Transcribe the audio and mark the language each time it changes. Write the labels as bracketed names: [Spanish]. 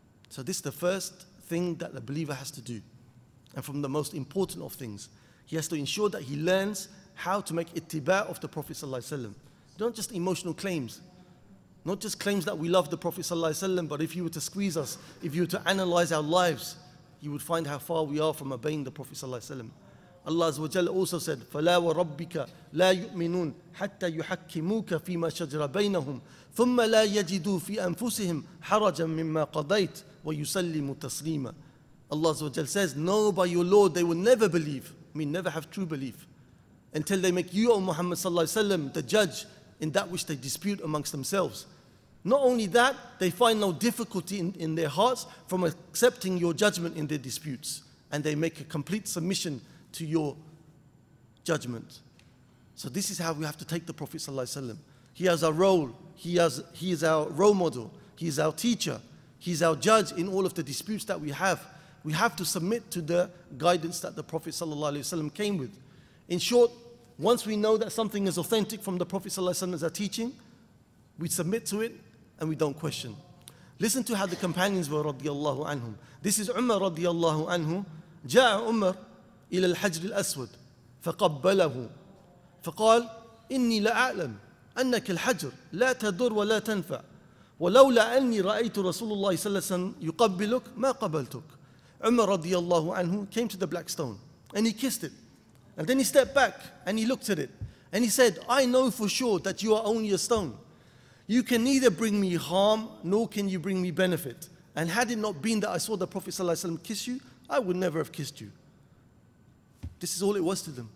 [English] So this is the first thing that a believer has to do. And from the most important of things, he has to ensure that he learns how to make ittiba of the Prophet sallallahu alayhi wa sallam. Not just emotional claims. Not just claims that we love the Prophet sallallahu alayhi wa sallam, but if you were to squeeze us, if you were to analyze our lives, you would find how far we are from obeying the Prophet sallallahu alayhi wa sallam. [Arabic] Allah azza wa jalla also said, فَلَا وَرَبِّكَ لَا يُؤْمِنُونَ حَتَّى يُحَكِّمُوكَ فِي مَا شَجْرَ بَيْنَهُمْ ثُمَّ لَا يَجِدُوا فِي أَنفُسِهِمْ حَرَجًا مِمَّا قَضَيْتْ وَيُسَلِّمُوا تَسْلِيمًا. [English] Allah azza wa jalla says, no, by your Lord, they will never believe, I mean never have true belief, until they make you, O Muhammad sallallahu alayhi wa sallam, the judge in that which they dispute amongst themselves. Not only that, they find no difficulty in their hearts from accepting your judgment in their disputes, and they make a complete submission to your judgment. So this is how we have to take the Prophet sallallahu alaihi wasallam. He has our role. He is our role model. He is our teacher. He is our judge in all of the disputes that we have. We have to submit to the guidance that the Prophet sallallahu alaihi wasallam came with. In short, once we know that something is authentic from the Prophet sallallahu alaihi wasallam as a teaching, we submit to it and we don't question. Listen to how the companions were radiyallahu anhum. This is Umar radiyallahu anhu. Ja'a Umar ila al-Hajr al-Aswad faqabbalahu. [Arabic] فقال إني لا أعلم أنك الحجر لا تدر ولا تنفع ولولا أني رأيت رسول الله صلى الله عليه وسلم يقبلك ما قبلتك. [English] عمر رضي الله عنه came to the black stone and he kissed it, and then he stepped back and he looked at it and he said, I know for sure that you are only a stone. You can neither bring me harm nor can you bring me benefit. And had it not been that I saw the Prophet صلى الله عليه وسلم kiss you, I would never have kissed you. This is all it was to them.